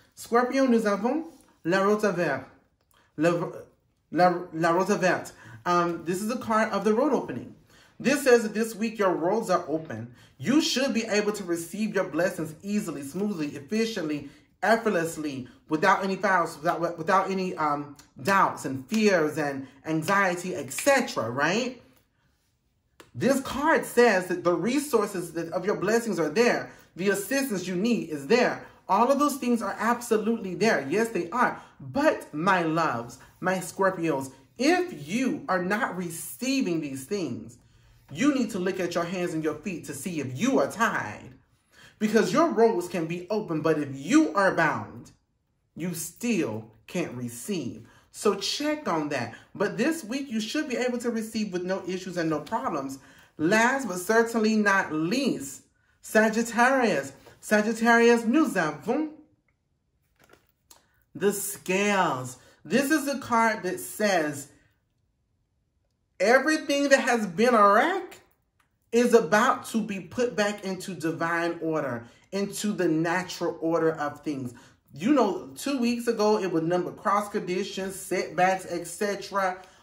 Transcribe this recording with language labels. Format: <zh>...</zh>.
<fr>Scorpio, nous avons la rosa verte. La rosa verte.</fr> <en>This is a card of the road opening. This says that this week your roads are open. You should be able to receive your blessings easily, smoothly, efficiently, effortlessly, without any fouls, without any doubts and fears and anxiety, etc., right? This card says that the resources of your blessings are there. The assistance you need is there. All of those things are absolutely there. Yes, they are. But my loves, my Scorpios, if you are not receiving these things, you need to look at your hands and your feet to see if you are tied. Because your roles can be open, but if you are bound, you still can't receive. So check on that. But this week, you should be able to receive with no issues and no problems. Last but certainly not least, Sagittarius. Sagittarius,</en> <fr>nous avons</fr> <en>the scales. This is a card that says everything that has been a wreck is about to be put back into divine order, into the natural order of things. You know, 2 weeks ago, it was number cross conditions, setbacks, etc.</en>